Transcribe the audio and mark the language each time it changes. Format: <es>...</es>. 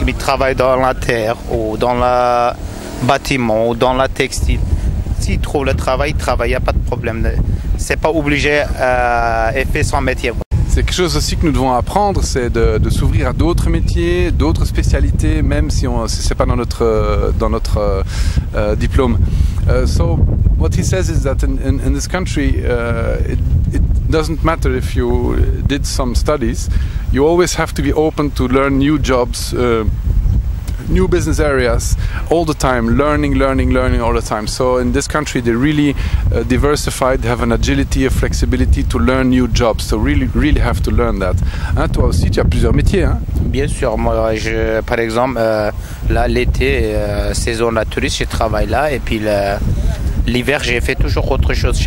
<fr>Il travaille dans la terre ou dans le bâtiment ou dans la textile. S'il trouve le travail, il travaille, il n'y a pas de problème. C'est pas obligé à faire son métier. C'est quelque chose aussi que nous devons apprendre, c'est de s'ouvrir à d'autres métiers, d'autres spécialités, même si ce n'est pas dans notre diplôme.</fr> <en>So what he says is that in this country, it doesn't matter if you did some studies, you always have to be open to learn new jobs, new business areas, all the time, learning all the time. So in this country, they're really diversified, they have an agility, a flexibility to learn new jobs. So really, really have to learn that.</en> <fr>Hein, toi aussi, tu as plusieurs métiers. Hein? Bien sûr, moi, par exemple, là, l'été, saison de la touriste, je travaille là. Et puis l'hiver, j'ai fait toujours autre chose.</fr>